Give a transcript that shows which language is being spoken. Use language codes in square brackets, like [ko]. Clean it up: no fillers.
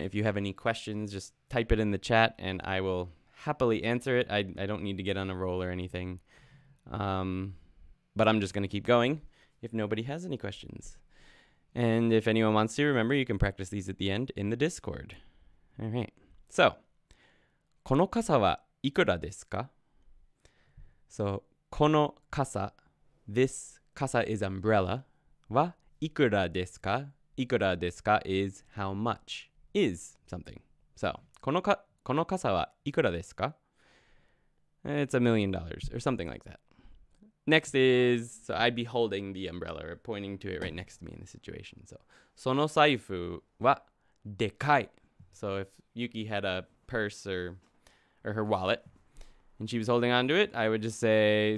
[en] If you have any questions, just type it in the chat, and I will happily answer it. I don't need to get on a roll or anything. But I'm just going to keep going if nobody has any questions. And if anyone wants to, remember, you can practice these at the end in the Discord. All right. So, [ja] この傘はいくらですか? [en] So, この傘, this 傘 is umbrella, [ja] はいくらですか? いくらですか [en] is how much, is something. [ja] So, この傘はいくらですか? [en] It's $1,000,000 or something like that. Next is, so I'd be holding the umbrella or pointing to it right next to me in this situation. So, [ja] その財布はでかい。 [en] So if Yuki had a purse or her wallet and she was holding onto it, I would just say,